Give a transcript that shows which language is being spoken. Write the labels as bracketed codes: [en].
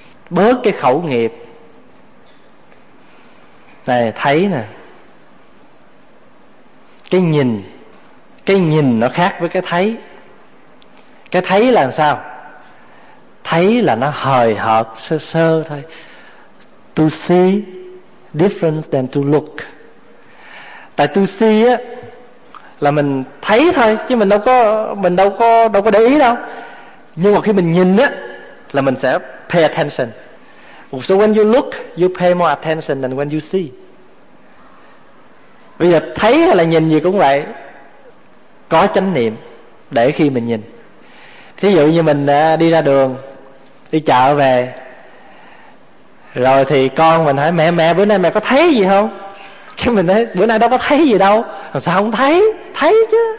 [vi] Bớt cái khẩu nghiệp. Này thấy nè, Cái nhìn nó khác với cái thấy. Cái thấy là sao? Thấy là nó hời hợt sơ sơ thôi. [en] To see difference than to look. [vi] Tại to see á là mình thấy thôi, chứ mình đâu có để ý đâu. Nhưng mà khi mình nhìn á là mình sẽ pay attention. [en] So when you look, you pay more attention than when you see. [vi] Bây giờ thấy hay là nhìn gì cũng vậy, có chánh niệm để khi mình nhìn. Thí dụ như mình đi ra đường, đi chợ về, rồi thì con mình hỏi mẹ, mẹ bữa nay mẹ có thấy gì không? Cái mình nói bữa nay đâu có thấy gì đâu. Sao không thấy? Thấy chứ.